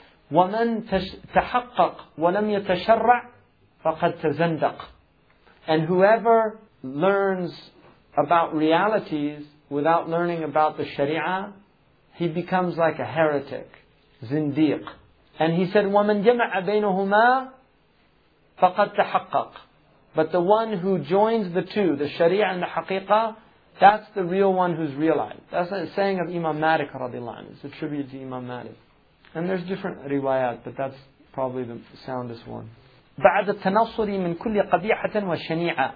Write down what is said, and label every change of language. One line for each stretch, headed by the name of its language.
Arabic: وَمَنْ تَحَقَّقْ وَلَمْ يَتَشَرَّعْ فَقَدْ تَزَنْدَقْ.
English: And whoever learns about realities without learning about the Sharia, he becomes like a heretic, zindiq. And he said,
Arabic: وَمَنْ جَمَعَ بَيْنَهُمَا فَقَدْ تَحَقَّقْ.
English: But the one who joins the two, the Sharia and the Haqiqah, that's the real one who's realized. That's a saying of Imam Malik radiallahu anhu. It's a tribute to Imam Malik. And there's different riwayat, but that's probably the soundest one.
Arabic: بَعْدَ التَّنَصُرِ مِنْ كُلِّ قَبِيحَةً وَشَنِيعَةً.